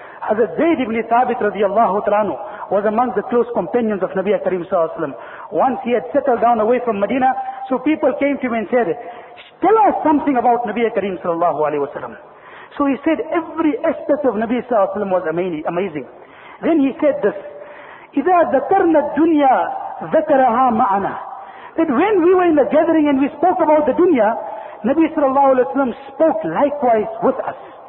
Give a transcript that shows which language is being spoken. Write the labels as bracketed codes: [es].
[en] Hazrat Zayd ibn Thabit radiallahu ta'ala anhu was among the close companions of Nabi Kareem sallallahu alayhi wa sallam. Once he had settled down away from Medina, so people came to him and said, tell us something about Nabi Kareem sallallahu alayhi wa sallam. So he said, every aspect of Nabi sallallahu alayhi wa sallam was amazing. Then he said this, [ar] إِذَا ذَكَرْنَا الدُّنْيَا ذَكَرَهَا مَعَنَا. [en] That when we were in the gathering and we spoke about the dunya, Nabi sallallahu alayhi wa sallam spoke likewise with us.